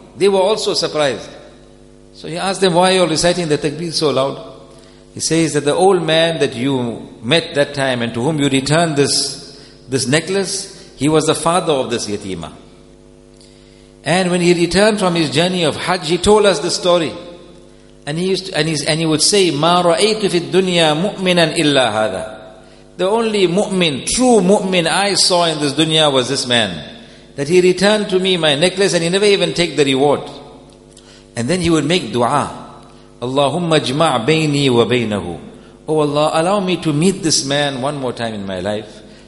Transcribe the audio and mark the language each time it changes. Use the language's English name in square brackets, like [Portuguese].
[English] They were also surprised. So he asked them, why are you reciting the Takbir so loud? He says that the old man that you met that time and to whom you returned this necklace, he was the father of this yatima. And when he returned from his journey of Hajj, he told us the story. [Arabic] And he would say, مَا رَأَيْتُ فِي الدُّنْيَا مُؤْمِنًا إِلَّا هَذَا. [English] The only mu'min, true mu'min I saw in this dunya was this man. That he returned to me my necklace and he never even take the reward. And then he would make dua. [Arabic] Allahumma jma' bayni wa baynahu. [English] Oh Allah, allow me to meet this man one more time in my life.